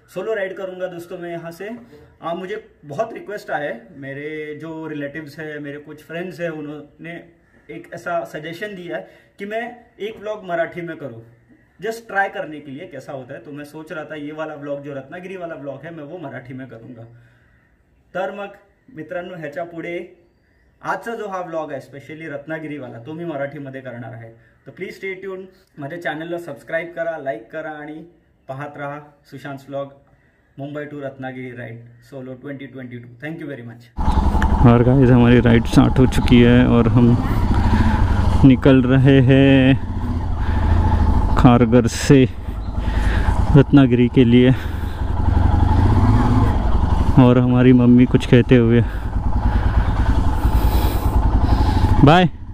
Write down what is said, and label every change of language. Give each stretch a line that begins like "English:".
Hindi: Solo ride करूंगा दोस्तों मैं यहाँ से। मुझे बहुत रिक्वेस्ट आया है, मेरे जो रिलेटिव्स है, मेरे कुछ फ्रेंड्स है, उन्होंने एक ऐसा सजेशन दिया है कि मैं एक व्लॉग मराठी में करूं, जस्ट ट्राई करने के लिए कैसा होता है। तो मैं सोच रहा था ये वाला व्लॉग जो रत्नागिरी वाला व्लॉग है, मैं वो मराठी में करूंगा।
Marathi: तर मग मित्रांनो, ह्याच्या पुढे आजचा जो हा व्लॉग आहे स्पेशली रत्नागिरी वाला, तो मी मराठीमध्ये करणार आहे। तर प्लीज स्टे ट्यून, माझ्या चॅनलला सबस्क्राईब करा, लाईक करा आणि पाहत रहा Sushant vlog, Mumbai to Ratnagiri ride solo 2022।
English: Thank you very much.
Hindi: और गाइस, हमारी राइड स्टार्ट हो चुकी है और हम निकल रहे हैं खारघर से रत्नागिरी के लिए। और हमारी मम्मी कुछ कहते हुए बाय।